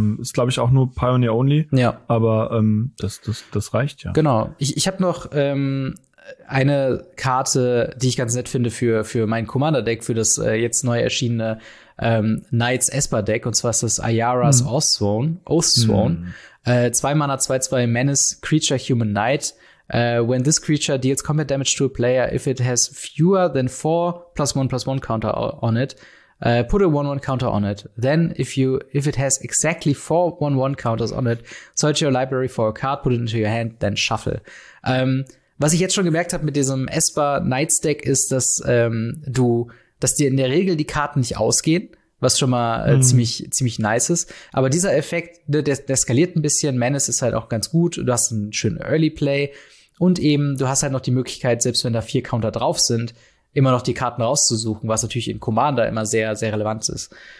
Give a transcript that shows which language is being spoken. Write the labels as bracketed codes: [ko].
[de] Ist, glaube ich, auch nur Pioneer only, ja. Aber das reicht ja. Genau, ich habe noch eine Karte, die ich ganz nett finde für mein Commander-Deck, für das jetzt neu erschienene Knights Esper-Deck, und zwar ist das Ayara's Oathsworn. [en] 2 Mana, 2/2 Menace, Creature, Human Knight. When this creature deals combat damage to a player, if it has fewer than 4 +1/+1 counter on it, put a 1/1 counter on it. Then if it has exactly 4 1/1 counters on it, search your library for a card, put it into your hand, then shuffle. [de] Was ich jetzt schon gemerkt habe mit diesem Esper Knights Deck ist, dass dir in der Regel die Karten nicht ausgehen, was schon mal ziemlich nice ist. Aber dieser Effekt, der skaliert ein bisschen. Menace ist halt auch ganz gut. Du hast einen schönen Early Play. Und eben, du hast halt noch die Möglichkeit, selbst wenn da 4 Counter drauf sind, immer noch die Karten rauszusuchen, was natürlich in Commander immer sehr, sehr relevant ist.